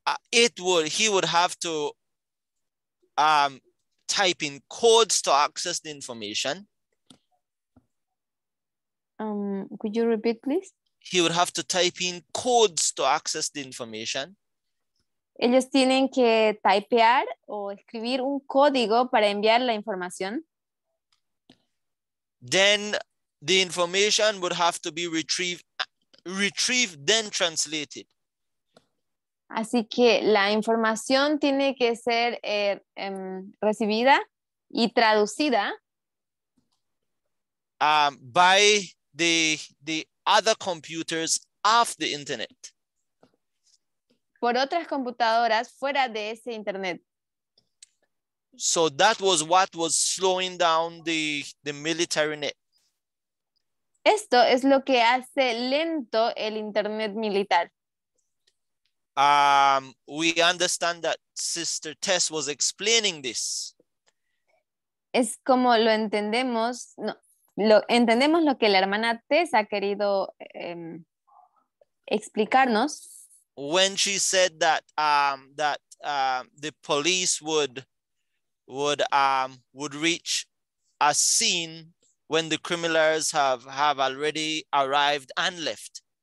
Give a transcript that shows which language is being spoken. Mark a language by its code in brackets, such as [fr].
[en] He would have to type in codes to access the information. Could you repeat, please? He would have to type in codes to access the information. [es] Ellos tienen que typear o escribir un código para enviar la información. [en] Then the information would have to be retrieved, then translated. [es] Así que la información tiene que ser recibida y traducida [en] by the other computers off the internet. [es] Por otras computadoras fuera de ese internet. [en] So that was what was slowing down the military net. [es] Esto es lo que hace lento el internet militar. [en] We understand that Sister Tess was explaining this. [es] Es como lo entendemos, entendemos lo que la hermana Tess ha querido explicarnos. [en] When she said that the police would reach a scene when the criminals have already arrived and left.